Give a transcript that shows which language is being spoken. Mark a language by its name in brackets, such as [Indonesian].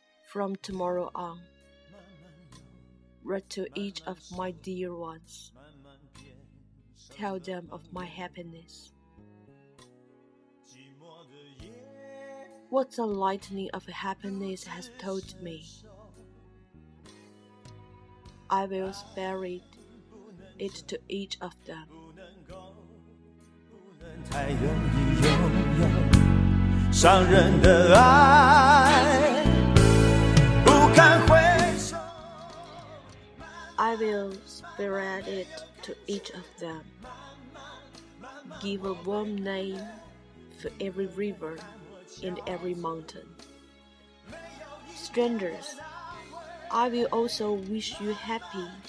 [English] From tomorrow on, write to each of my dear ones, tell them of my happiness. What the lightning of happiness has told me. I will spare it to each of them. [Chinese] 不能太容易拥有，伤人的爱不堪回首。 [English] I will spare it to each of them. Give a warm name for every river and every mountain. Strangers,I will also wish you happy.